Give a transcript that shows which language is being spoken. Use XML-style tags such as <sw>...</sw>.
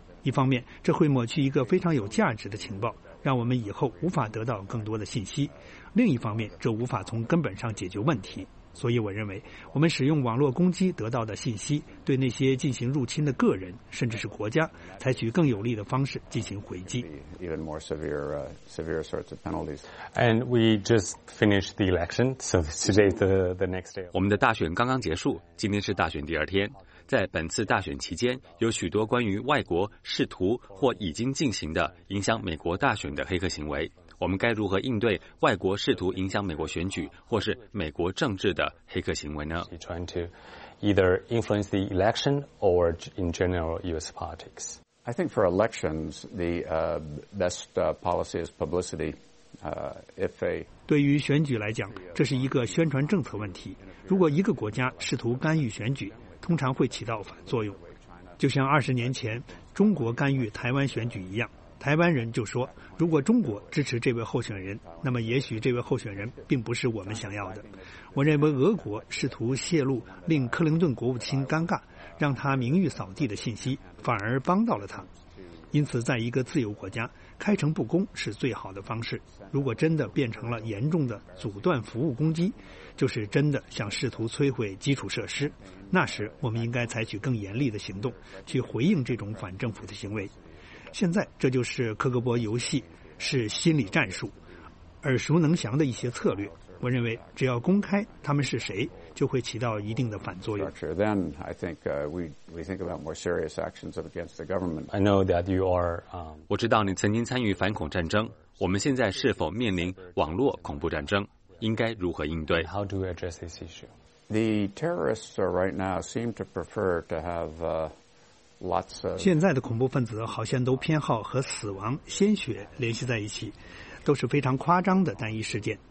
<zh>一方面，这会抹去一个非常有价值的情报，让我们以后无法得到更多的信息；另一方面，这无法从根本上解决问题。所以，我认为我们使用网络攻击得到的信息，对那些进行入侵的个人，甚至是国家，采取更有力的方式进行回击。</zh> <en>Even more severe sorts of penalties. And we just finished the election, so today's the next day.</en> <zh>我们的大选刚刚结束，今天是大选第二天。在本次大选期间，有许多关于外国试图或已经进行的影响美国大选的黑客行为。我们该如何应对外国试图影响美国选举或是美国政治的黑客行为呢？</zh> <en>He's trying to either influence the election or in general U.S. politics. I think for elections, the best policy is publicity. If a</en> <zh>对于选举来讲，这是一个宣传政策问题。如果一个国家试图干预选举，通常会起到反作用，就像20年前中国干预台湾选举一样。台湾人就说，如果中国支持这位候选人，那么也许这位候选人并不是我们想要的。我认为俄国试图泄露令克林顿国务卿尴尬，让他名誉扫地的信息，反而帮到了他。因此，在一个自由国家，开诚布公是最好的方式。如果真的变成了严重的阻断服务攻击，就是真的想试图摧毁基础设施，那时我们应该采取更严厉的行动去回应这种反政府的行为。现在这就是克格勃游戏，是心理战术，耳熟能详的一些策略。我认为只要公开他们是谁，就会起到一定的反作用。</zh> <en>Then I think we think about more serious actions against the government. I know that you are.</en> <zh>我知道你曾经参与反恐战争。我们现在是否面临网络恐怖战争？应该如何应对</zh> <en>？How do we address this issue? The terrorists are right now seem to prefer to have lots of.</en> <zh>现在的恐怖分子好像都偏好和死亡、鲜血联系在一起，都是非常夸张的单一事件。</zh>